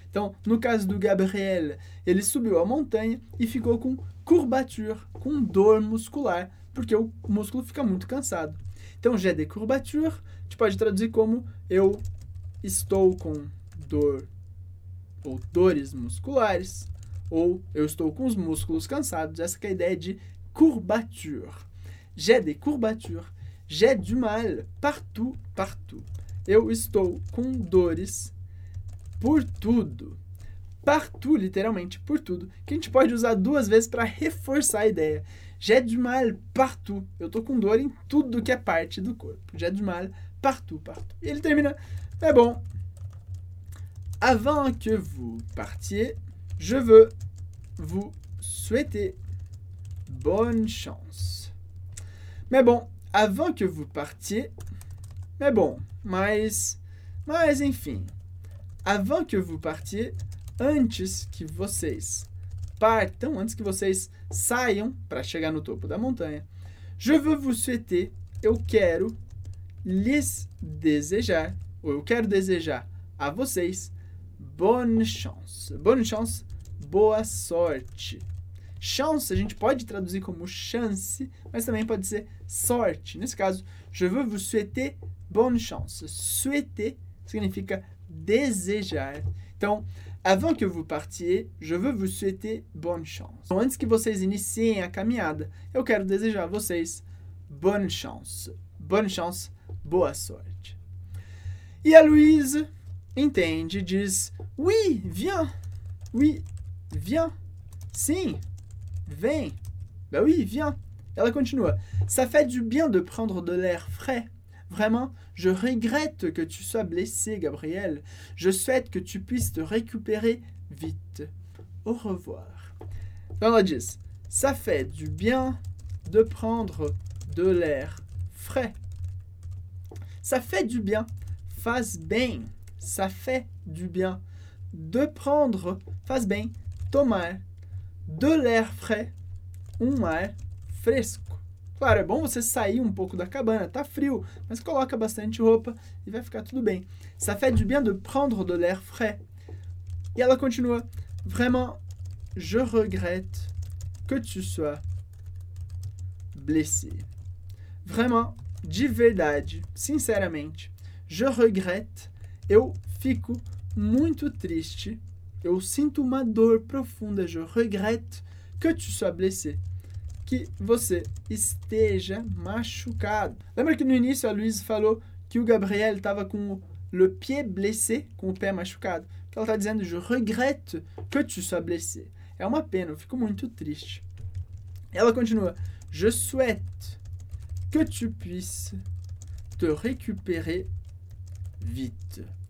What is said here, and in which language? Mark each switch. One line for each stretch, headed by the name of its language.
Portuguese: Então, no caso do Gabriel, ele subiu a montanha e ficou com courbature, com dor muscular, porque o músculo fica muito cansado. Então,
French: j'ai des courbatures,
Portuguese: a gente pode traduzir como eu estou com dor ou dores musculares, ou eu estou com os músculos cansados. Essa que é a ideia de courbature.
French: J'ai des courbatures, j'ai du mal partout.
Portuguese: Eu estou com dores por tudo. Partout, literalmente, por tudo. Que a gente pode usar duas vezes para reforçar a ideia.
French: J'ai du mal partout.
Portuguese: Eu tô com dor em tudo que é parte do corpo.
French: J'ai du mal partout.
Portuguese: E ele termina. É bom.
French: Avant que vous partiez, je veux vous souhaiter bonne chance. Mais bon, avant que vous partiez, mais bon,
Portuguese: mas enfim.
French: Avant que vous partiez,
Portuguese: antes que vocês partam, antes que vocês saiam para chegar no topo da montanha,
French: je veux vous souhaiter,
Portuguese: eu quero lhes desejar, ou eu quero desejar a vocês,
French: bonne chance,
Portuguese: boa sorte. Chance, a gente pode traduzir como chance, mas também pode ser sorte. Nesse caso,
French: je veux vous souhaiter bonne chance.
Portuguese: Souhaiter significa desejar.
French: Então, avant que vous partiez, je veux vous souhaiter bonne chance.
Portuguese: Então, antes que vocês iniciem a caminhada, eu quero desejar a vocês bonne chance, boa sorte. E a Louise entende, diz,
French: oui, viens,
Portuguese: ela continua,
French: ça fait du bien de prendre de l'air frais, vraiment, je regrette que tu sois blessé, Gabriel, je souhaite que tu puisses te récupérer vite, au revoir.
Portuguese: Então ela diz,
French: ça fait du bien de prendre de l'air frais, ça fait du bien, fasse bien. Ça fait du bien de prendre,
Portuguese: faz bem, tomar,
French: de l'air frais,
Portuguese: um ar fresco. Claro, é bom você sair um pouco da cabana, tá frio, mas coloca bastante roupa e vai ficar tudo bem.
French: Ça fait du bien de prendre de l'air frais.
Portuguese: E ela continua,
French: vraiment, je regrette que tu sois blessé. Vraiment,
Portuguese: de verdade, sinceramente, je regrette, eu fico muito triste, eu sinto uma dor profunda,
French: je regrette que tu sois blessé,
Portuguese: que você esteja machucado. Lembra que no início a Louise falou que o Gabriel estava com
French: le pied blessé,
Portuguese: com o pé machucado? Ela está dizendo,
French: je regrette que tu sois blessé.
Portuguese: É uma pena, eu fico muito triste. Ela continua,
French: je souhaite que tu puisses te récupérer vite.